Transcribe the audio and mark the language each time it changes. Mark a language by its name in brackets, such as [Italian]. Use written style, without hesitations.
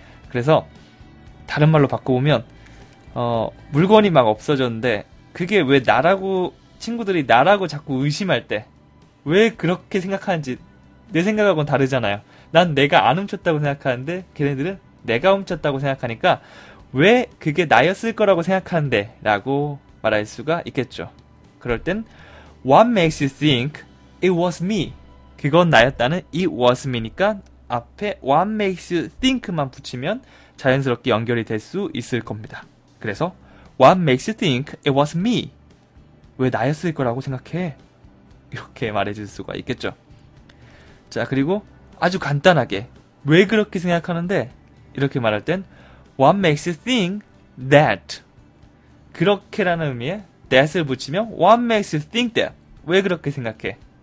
[Korean] 그래서 다른 말로 바꿔보면 물건이 막 없어졌는데 그게 왜 나라고 친구들이 나라고 자꾸 의심할 때 왜 그렇게 생각하는지 내 생각하고는 다르잖아요. 난 내가 안 훔쳤다고 생각하는데 걔네들은 내가 훔쳤다고 생각하니까 왜 그게 나였을 거라고 생각하는데 라고 말할 수가 있겠죠. 그럴 땐 [English] What makes you think it was me? [Korean] 그건 나였다는 [English] it was me [Korean] 니까 앞에 [English] What makes you think [Korean] 만 붙이면 자연스럽게 연결이 될 수 있을 겁니다. 그래서 [English] What makes you think it was me? [Korean] 왜 나였을 거라고 생각해? 이렇게 말해줄 수가 있겠죠. 자, 그리고 아주 간단하게 왜 그렇게 생각하는데? 이렇게 말할 땐 [English] What makes you think that? [Korean] 그렇게라는 의미에 that을 붙이면 [English] What makes you think that? [Korean] 왜 그렇게 생각해?